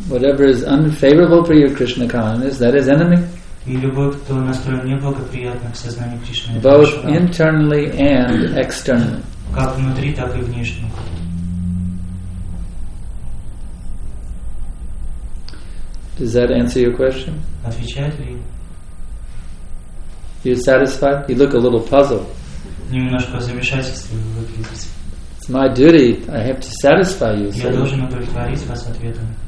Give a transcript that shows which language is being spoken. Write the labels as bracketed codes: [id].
[en] Whatever is unfavorable for your Krishna consciousness, that is enemy. [ru] И любой, кто настроен неблагоприятно к сознанию Кришны, это [en] Both internally and externally. [ru] Как внутри, так и внешне. [en] Does that answer your question? [ru] Отвечает ли? [en] You're satisfied? You look a little puzzled. [ru] Немножко замешательство выглядит. [en] It's my duty. I have to satisfy you. [ru] Я должен удовлетворить вас ответом.